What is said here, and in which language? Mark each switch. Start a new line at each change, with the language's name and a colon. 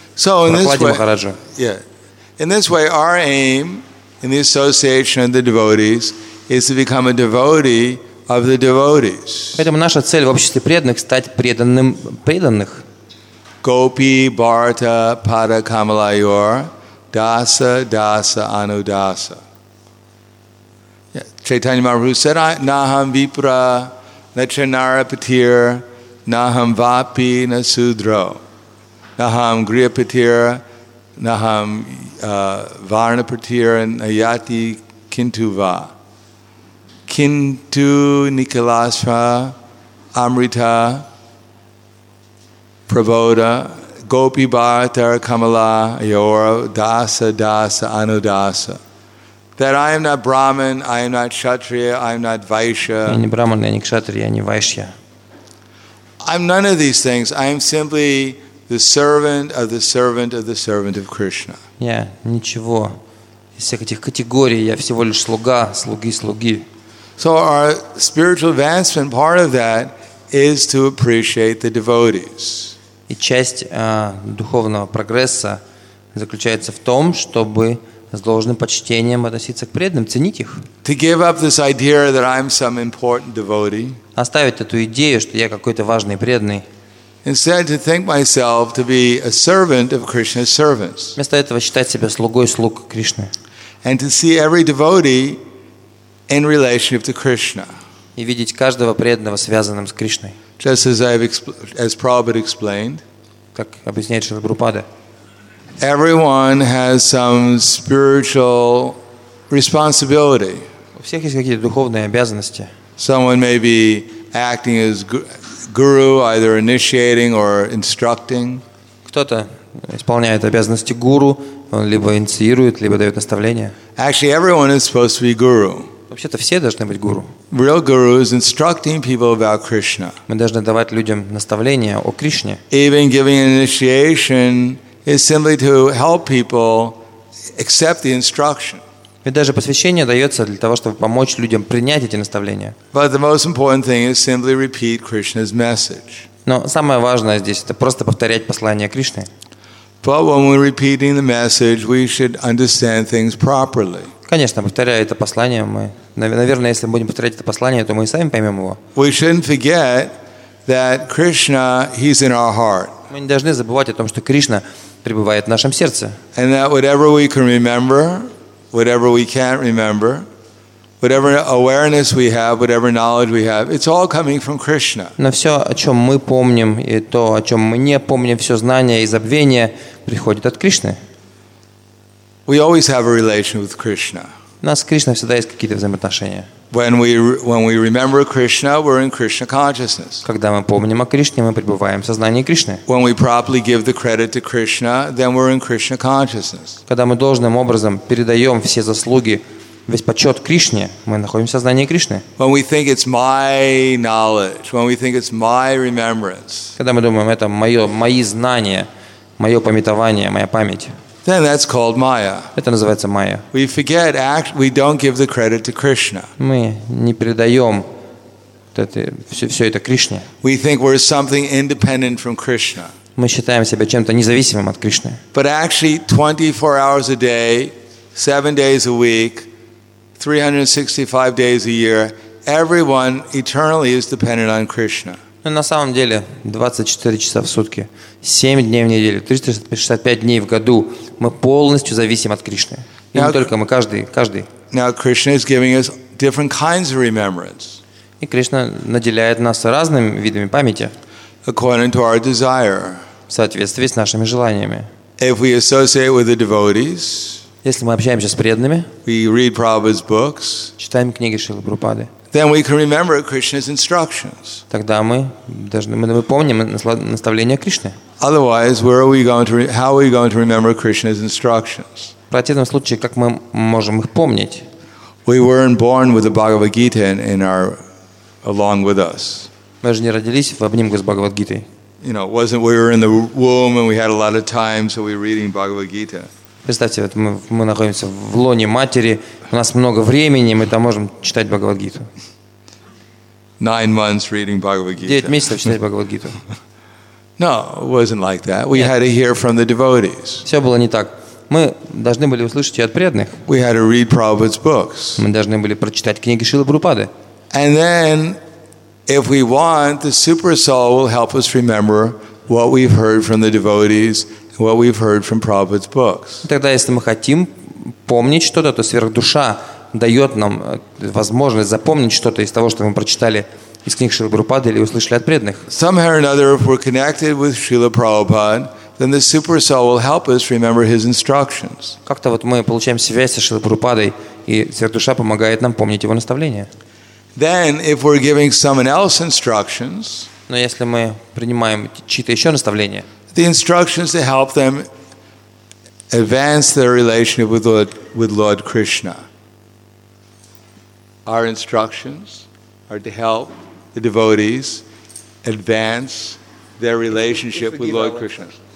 English: So in this way,
Russian: Махараджу.
English: Yeah. In this way, our aim in the association of the devotees is to become a devotee of the devotees.
Russian: Поэтому наша цель в обществе преданных стать преданным преданных.
Sanskrit: Gopi Bharata Pada Kamalayor Dasa Dasa Anudasa.
English: Yeah. Chaitanya Mahaprabhu said,
Sanskrit: "Naham Vipra Nachanara Patir." Naham vapi na sudro, naham griyapatir, naham varnapatir, and ayati kintuva, kintu nikalasva, amrita, pravoda, gopi bhartar kamala, yora, dasa, dasa, anudasa.
English: That I am not Brahman, I am not Kshatriya, I am not Vaishya.
Russian: Я не Брахман, я не Кшатрия, я не Вайшья.
English: I'm none of these things. I am simply the servant of the servant of the servant of Krishna.
Russian: Я ничего из всех этих категорий. Я всего лишь слуга, слуги.
English: So our spiritual advancement, part of that, is to appreciate the devotees.
Russian: И часть духовного прогресса заключается в том, чтобы с должным почтением относиться к преданным, ценить их.
English: To give up this idea that I'm some important devotee.
Russian: Оставить эту идею, что я какой-то важный преданный.
English: Instead to think myself to be a servant of Krishna's servants.
Russian: Вместо этого считать себя слугой слуг Кришны.
English: And to see every devotee in relationship to Krishna.
Russian: И видеть каждого преданного связанным с Кришной.
English: Just as I've as Prabhupada explained.
Russian: Как объясняет Шрила Прабхупада.
English: Everyone has some spiritual responsibility.
Russian: У всех есть какие-то духовные обязанности.
English: Someone may be acting as guru, either initiating or instructing.
Russian: Кто-то исполняет обязанности гуру, он либо инициирует, либо дает наставления.
English: Actually, everyone is supposed to be guru.
Russian: Вообще-то все должны быть гуру.
English: Real guru is instructing people about Krishna.
Russian: Мы должны давать людям наставления о Кришне.
English: Even giving initiation is simply to help people accept the instruction.
Russian: Ведь даже посвящение дается для того, чтобы помочь людям принять эти наставления.
English: But the most important thing is simply repeat Krishna's message.
Russian: Но самое важное здесь это просто повторять послание Кришны.
English: But when we're repeating the message, we should understand things properly.
Russian: Конечно, повторяя это послание, мы, наверное, если будем повторять это послание, то мы и сами поймем его.
English: We shouldn't forget that Krishna, he's in our heart.
Russian: Мы не должны забывать о том, что Кришна пребывает в нашем сердце.
English: And that whatever we can remember, whatever we can't remember, whatever awareness we have, whatever knowledge we have, it's all coming from Krishna.
Russian: На все, о чем мы помним, и то, о чем мы не помним, все знание и забвение приходит от Кришны.
English: We always have a relation with Krishna.
Russian: У нас с Кришной всегда есть какие-то взаимоотношения.
English: When we remember Krishna, we're in Krishna consciousness.
Russian: Когда мы помним о Кришне, мы пребываем в сознании Кришны.
English: When we properly give the credit to Krishna, then we're in Krishna consciousness.
Russian: Когда мы должным образом передаем все заслуги, весь почет Кришне, мы находимся в сознании Кришны.
English: When we think it's my knowledge, when we think it's my remembrance.
Russian: Когда мы думаем, это мои знания, мое памятование, моя память.
English: Then that's called Maya.
Russian: Это называется Maya.
English: We forget, we don't give the credit to Krishna.
Russian: Мы не передаем все это Кришне.
English: We think we're something independent from Krishna.
Russian: Мы считаем себя чем-то независимым от Кришны.
English: But actually, 24 hours a day, 7 days a week, 365 days a year, everyone eternally is dependent on Krishna.
Russian: Но на самом деле, 24 часа в сутки, 7 дней в неделю, 365 дней в году мы полностью зависим от Кришны. И не только мы, каждый.
English: Now Krishna is giving us different kinds of remembrance.
Russian: И Кришна наделяет нас разными видами памяти.
English: According to our desire.
Russian: В соответствии с нашими желаниями.
English: If we associate with the devotees.
Russian: Если мы общаемся с преданными.
English: We read Prabhupada's books.
Russian: Читаем книги Шрилы Прабхупады.
English: Then we can remember Krishna's instructions.
Russian: Тогда мы помним наставления Кришны.
English: Otherwise, how are we going to remember Krishna's instructions?
Russian: В противном случае, как мы можем их помнить?
English: We weren't born with the Bhagavad Gita along with us.
Russian: Мы же не родились в обнимку с Бхагавад Гитой.
English: You know, wasn't we were in the womb and we had a lot of time, so we're reading Bhagavad Gita.
Russian: Представьте, вот мы находимся в лоне матери, у нас много времени, мы там можем читать Бхагавад-гиту. 9 месяцев читать Бхагавад-гиту.
English: No, it wasn't like that. We had to hear from the devotees.
Russian: Все было не так. Мы должны были услышать ее от преданных.
English: We had to read Prabhupada's books.
Russian: Мы должны были прочитать книги Шрилы Прабхупады.
English: And then, if we want, the super soul will help us remember what we've heard from the devotees. What we've heard from Prabhupada's books.
Russian: Тогда, если мы хотим помнить что-то, то сверхдуша дает нам возможность запомнить что-то из того, что мы прочитали из книг Шрилы Прабхупады или услышали от преданных.
English: Somehow or another, if we're connected with Srila Prabhupada, then the super soul will help us remember his instructions.
Russian: Как-то вот мы получаем связь со Шрилой Прабхупадой, и сверхдуша помогает нам помнить его наставления.
English: Then, if we're giving someone else instructions,
Russian: но если мы принимаем чьи-то еще наставления.
English: The instructions to help them advance their relationship with Lord Krishna. Our instructions are to help the devotees advance their relationship with Lord Krishna.